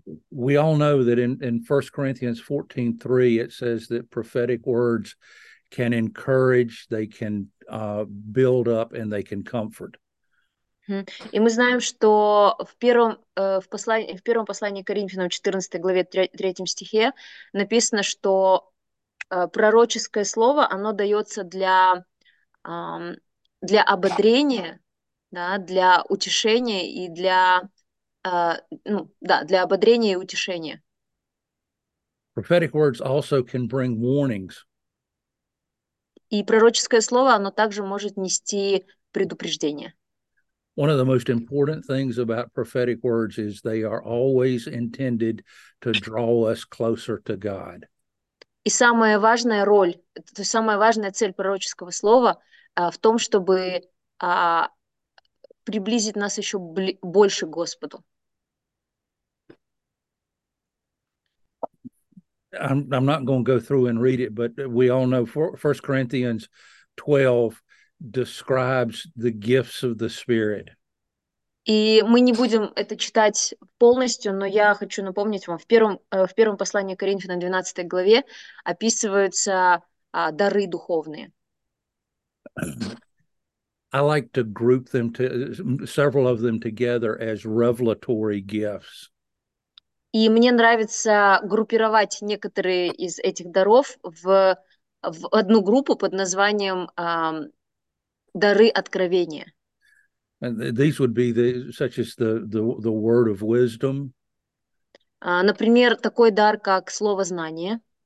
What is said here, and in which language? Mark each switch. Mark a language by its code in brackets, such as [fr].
[en] We all know that in 1 Corinthians 14:3 it says that prophetic words can encourage, they can build up, and they can comfort. [ru] И мы знаем, что в первом послании Коринфянам 14 главе 3 стихе написано, что пророческое слово, оно дается для ободрения, да, для утешения и для ну, да, для ободрения и утешения. [en] Prophetic words also can bring warnings. [ru] И пророческое слово, оно также может нести предупреждение. [en] One of the most important things about prophetic words is they are always intended to draw us closer to God. [ru] И самая важная роль, то есть самая важная цель пророческого слова в том, чтобы приблизить нас еще больше к Господу. [en] I'm not going to go through and read it, but we all know 1 Corinthians 12 describes the gifts of the Spirit. [ru] И мы не будем это читать полностью, но я хочу напомнить вам, в первом послании к Коринфянам 12 главе описываются дары духовные. [en] I like to group them to several of them together as revelatory gifts. [ru] И мне нравится группировать некоторые из этих даров в одну группу под названием «Дары откровения». [en] And these would be such as the word of wisdom. [ru] Например, такой дар, как слово знание.